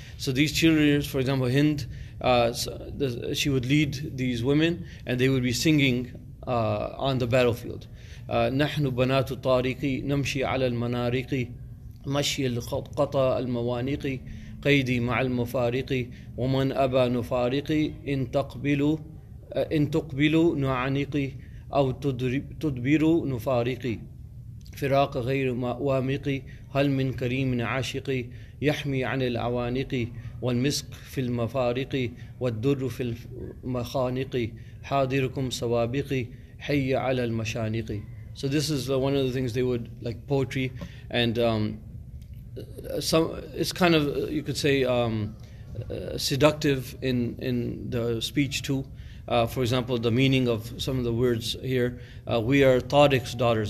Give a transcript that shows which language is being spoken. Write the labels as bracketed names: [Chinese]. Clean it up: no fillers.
[English] So these cheerleaders, for example, Hind, she would lead these women and they would be singing on the battlefield. [Arabic] نحن بنات طارق نمشي على المناريق مشي القطا المواريق قيدي مع المفارق ومن أبى نفارق إن تقبلوا إن تقبلوا نعانقي أو تدبروا نفارقي فراق غير وامقي هل من كريم عاشقي يحمي عن العوانق والمسك في المفارق والدر في المخانق حاضركم سوابقي حي على المشانق. [English] So this is one of the things they would like poetry, and some it's kind of you could say seductive in the speech too. For example, the meaning of some of the words here, we are Tariq's daughters.